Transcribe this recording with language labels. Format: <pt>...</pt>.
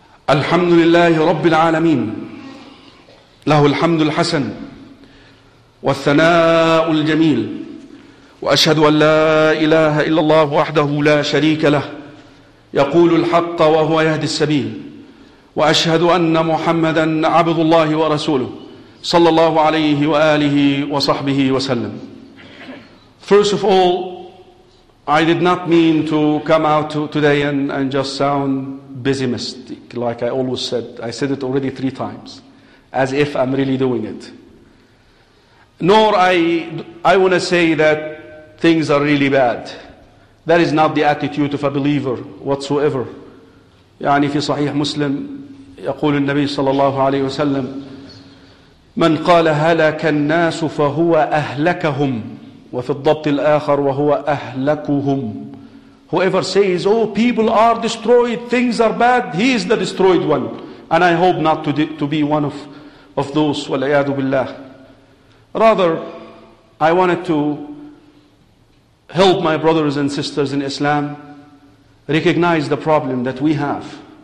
<ar>الحمد لله رب العالمين له الحمد الحسن والثناء الجميل وأشهد أن لا إله إلا الله وحده لا شريك له يقول الحق وهو يهدي السبيل وأشهد أن محمدًا عبد الله ورسوله صلى الله عليه وآله وصحبه وسلم.</ar> <en>First of all, I did not mean to come out today and just sound pessimistic, like I always said. I said it already 3 times, as if I'm really doing it. Nor I want to say that things are really bad. That is not the attitude of a believer whatsoever.</en> <ar>يعني في صحيح مسلم يقول النبي صلى الله عليه وسلم من قال هلك الناس فهو أهلكهم وفي الضبط الآخر وهو أهلكهم.</ar> <en>Whoever says, oh, people are destroyed, things are bad, he is the destroyed one. And I hope not to be one of those.</en> <ar>وَالْعِيَادُ بِاللَّهِ.</ar> <en>Rather, I wanted to help my brothers and sisters in Islam recognize the problem that we have.</en>